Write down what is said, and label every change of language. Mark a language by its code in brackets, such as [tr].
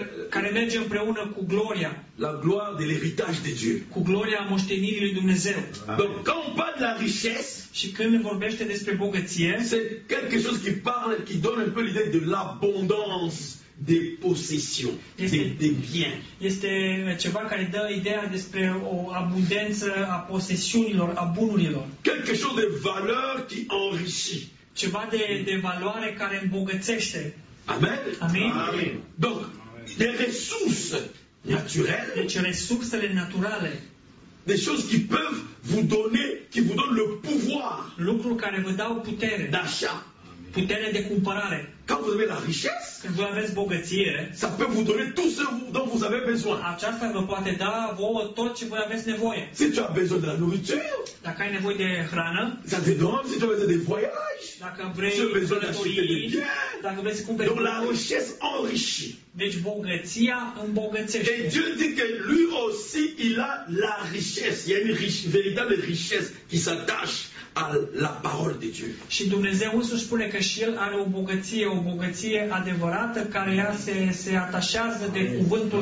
[ro] Care merge împreună cu gloria. [fr] La gloire de l'héritage de Dieu. [ro] Cu gloria moștenirii lui Dumnezeu. [fr] Donc quand on parle de la richesse. [ro] Și când vorbește despre bogăție. [fr] C'est quelque chose qui parle, qui donne un peu l'idée de l'abondance. [ro] De posesiuni, [fr] de bien. [ro] Este ceva care dă ideea despre o abundență a posesiunilor, a bunurilor. [fr] Quelque chose de valeur qui enrichit. [ro] Ceva de valoare care îmbogățește. Amen. Amin. [fr] Amin. Donc, des ressources naturelles. [ro] Deci, resursele naturale. [fr] Des choses qui peuvent vous donner, qui vous donnent le pouvoir. [ro] Lucruri care vă dau putere. [fr] D'achat. [ro] Putere de cumpărare. [fr] Quand vous avez la richesse, [ro] când vous aveți bogăție, [fr] ça peut vous donner tout ce dont vous avez besoin. [ro] Aceasta vă poate da vouă tot ce voi aveți nevoie. [fr] Si tu as besoin de la nourriture, [ro] dacă ai nevoie de hrană, [fr] ça te donne. Si tu as besoin de voyage, [ro] dacă vrei, [fr] si tu as besoin d'acheter des biens, [ro] dacă vrei să cumperi. [fr] Donc la richesse enrichit. [ro] Deci bogăția îmbogățește. [fr] Et Dieu dit que lui aussi il a la richesse. Il y a une véritable richesse qui s'attache à la parole de Dieu. [ro] Și Dumnezeu însuși spune că și el are o bogăție. O bogăție adevărată care ea se atașează de cuvântul